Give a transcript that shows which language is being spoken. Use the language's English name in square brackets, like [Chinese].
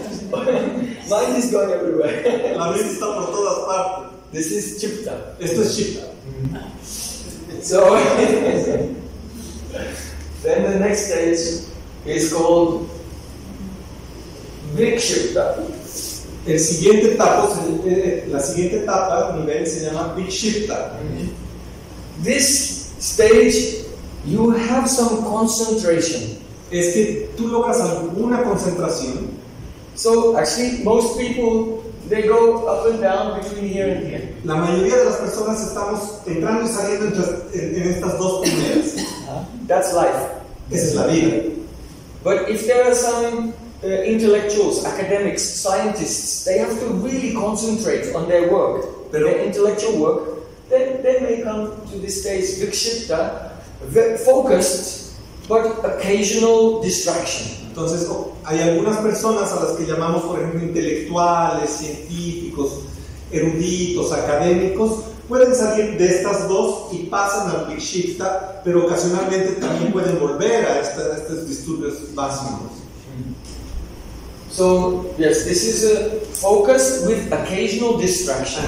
[English] Mind is going everywhere. [Spanish] La mente está por todas partes. [English] This is chipta. [Spanish] Esto es chipta. [English] So, then the next stage is called Vikshipta. [Spanish] El siguiente etapa, la siguiente etapa, nivel se llama Vikshipta. [English] This stage, you have some concentration. [Spanish] Es que tú logras alguna concentración. [English] So actually, most people they go up and down between here and here. [Spanish] La mayoría de las personas estamos entrando y saliendo en estas dos primeras. [English] That's life. [Spanish] Esa es la vida. [English] But if there are some intellectuals, academics, scientists, they have to really concentrate on their work, their intellectual work, then they may come to this stage, vikshipta, focused, but occasional distraction. [Spanish] Entonces, hay algunas personas a las que llamamos, por ejemplo, intelectuales, científicos, eruditos, académicos, pueden salir de estas dos y pasan al vikshipta, pero ocasionalmente también pueden volver a estos disturbios básicos. [English] So, yes, this is a focus with occasional distraction.